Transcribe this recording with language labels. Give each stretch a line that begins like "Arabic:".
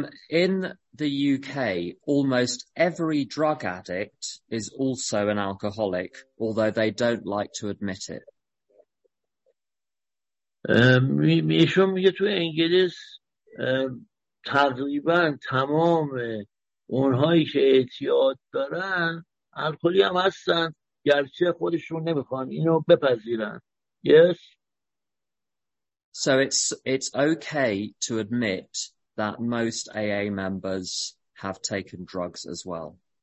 English: In the UK, almost every drug addict is also an alcoholic, although they don't like to admit it.
Persian: میشون میگه تو انگلیس تقریباً تمام اونهایی که اعتیاد دارن الکلی هم هستن، گرچه خودشون نمیخوان اینو بپذیرن.
English: Yes. So it's okay to admit that most AA members have taken drugs as well.